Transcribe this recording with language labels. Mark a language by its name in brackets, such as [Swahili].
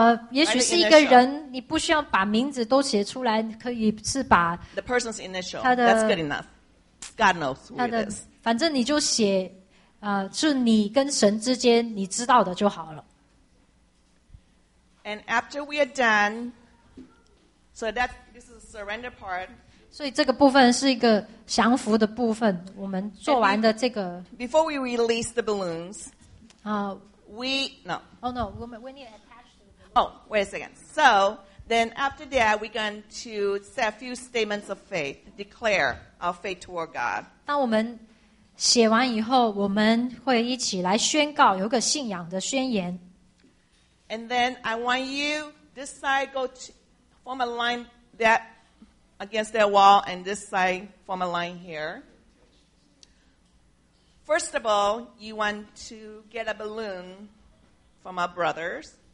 [Chinese] 也许是一个人，你不需要把名字都写出来，可以是把 [English] the person's initial. That's good enough. God knows who it is. [Chinese] 反正你就写，是你跟神之间你知道的就好了。 [English] And after we are done, so that this is the surrender part. [Chinese] 所以这个部分是一个降服的部分。我们做完的这个 [English] ，Before we release the balloons, we no. Oh no, we need to attach to the balloons. Oh, wait a second. So then after that, we're going to say a few statements of faith, declare our faith toward God. [Chinese] 当我们写完以后，我们会一起来宣告，有个信仰的宣言。 [English] And then I want you this side go to form a line that. Against that wall, and this side form a line here. First of all, you want to get a balloon from our brothers.